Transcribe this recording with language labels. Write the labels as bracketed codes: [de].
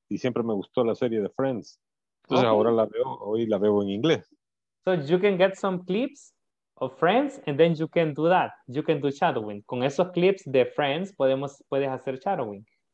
[es] Y siempre me gustó la serie de Friends. Entonces ahora la veo. Hoy la veo en inglés. [en] So you can get some clips of Friends and then you can do that. You can do shadowing. [es] Con esos clips de Friends puedes hacer shadowing.